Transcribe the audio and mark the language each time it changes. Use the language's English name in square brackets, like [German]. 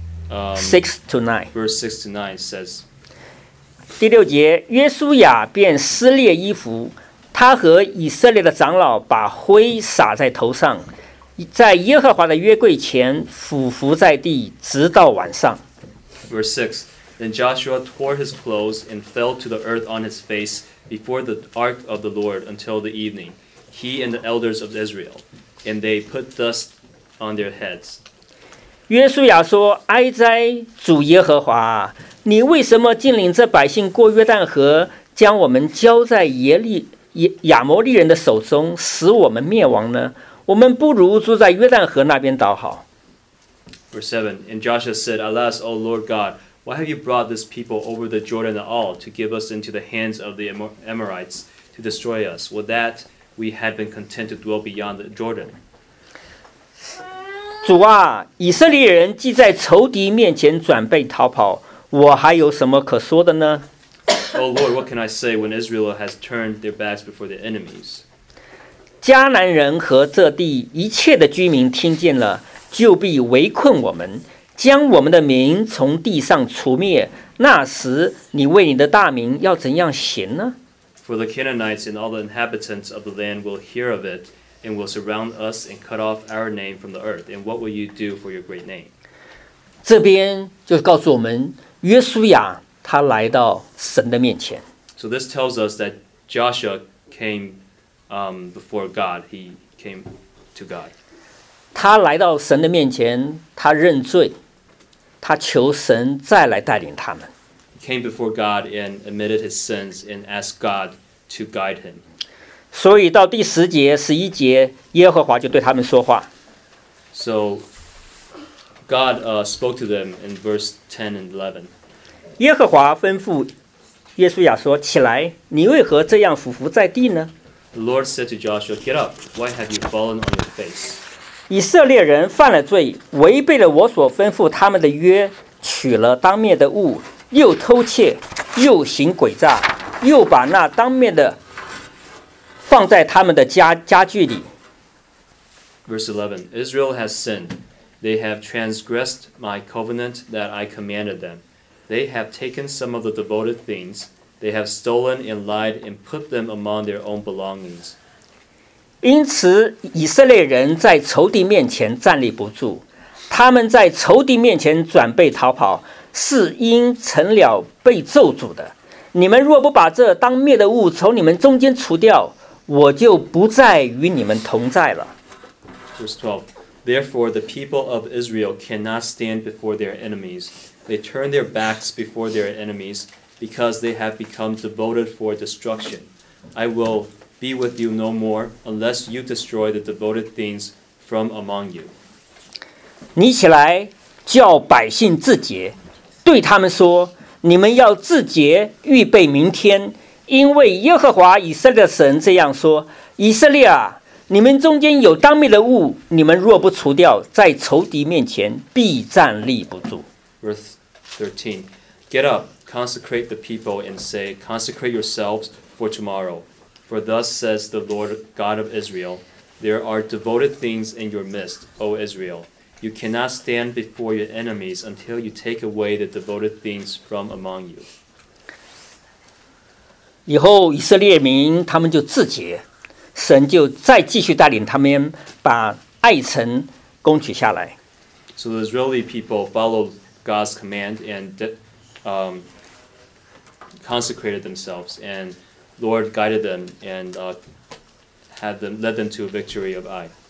[English] 6 to 9, verse 6 to 9 says, [Chinese] 第六节，约书亚便撕裂衣服，他和以色列的长老把灰撒在头上，在耶和华的约柜前俯伏在地，直到晚上。 [English] Verse 6, then Joshua tore his clothes and fell to the earth on his face before the ark of the Lord until the evening. He and the elders of Israel, and they put dust on their heads. [Chinese] 约书亚说，哀哉，主耶和华，你为什么竟领这百姓过约旦河，将我们交在亚摩利人的手中，使我们灭亡呢？我们不如住在约旦河那边倒好。 [English] Verse 7, and Joshua said, "Alas, O Lord God, why have you brought this people over the Jordan at all to give us into the hands of the Amorites to destroy us? Would that we had been content to dwell beyond the Jordan." [Chinese] 主啊，以色列人既在仇敌面前准备逃跑，我还有什么可说的呢？ [English] Oh Lord, what can I say when Israel has turned their backs before their enemies? [Chinese] 迦南人和这地一切的居民听见了，就必围困我们，将我们的民从地上除灭。那时，你为你的大名要怎样行呢？ [English] For the Canaanites and all the inhabitants of the land will hear of it and will surround us and cut off our name from the earth. And what will you do for your great name? [Chinese] 这边就告诉我们，约书亚他来到神的面前。 [English] So this tells us that Joshua came before God. He came to God. [Chinese] 他来到神的面前，他认罪，他求神再来带领他们。 [English] Came before God and admitted his sins and asked God to guide him. [Chinese] 所以到第十节、十一节，耶和华就对他们说话。 [English] So God spoke to them in verse 10 and 11. [Chinese] 耶和华吩咐约书亚说：“起来，你为何这样俯伏在地呢？” [English] The Lord said to Joshua, "Get up. Why have you fallen on your face?" [Chinese] 以色列人犯了罪，违背了我所吩咐他们的约，取了当面的物。又偷窃，又行诡诈，又把那当面的放在他们的家具里。 [English] Verse 11, Israel has sinned. They have transgressed my covenant that I commanded them. They have taken some of the devoted things They have stolen and lied and put them among their own belongings. [Chinese] 因此以色列人在仇敌面前站立不住，他们在仇敌面前转背逃跑，是因成了被咒诅的。你们若不把这当灭的物从你们中间除掉，我就不再与你们同在了。 [English] Verse 12. Therefore the people of Israel cannot stand before their enemies. They turn their backs before their enemies because they have become devoted for destruction. I will be with you no more unless you destroy the devoted things from among you. [Chinese] 你起来叫百姓自洁，对他们说，你们要自洁预备明天，因为耶和华以色列的神这样说，以色列啊，你们中间有当灭的物，你们若不除掉，在仇敌面前必站立不住。 [English] Verse 13. Get up, consecrate the people and say, consecrate yourselves for tomorrow. For thus says the Lord God of Israel, there are devoted things in your midst, O Israel. You cannot stand before your enemies until you take away the devoted things from among you. [Chinese] 以后以色列民他们就自洁，神就再继续带领他们把爱城攻取下来。 [English] So the Israeli people followed God's command and consecrated themselves, and Lord guided them and led them to a victory of Ai.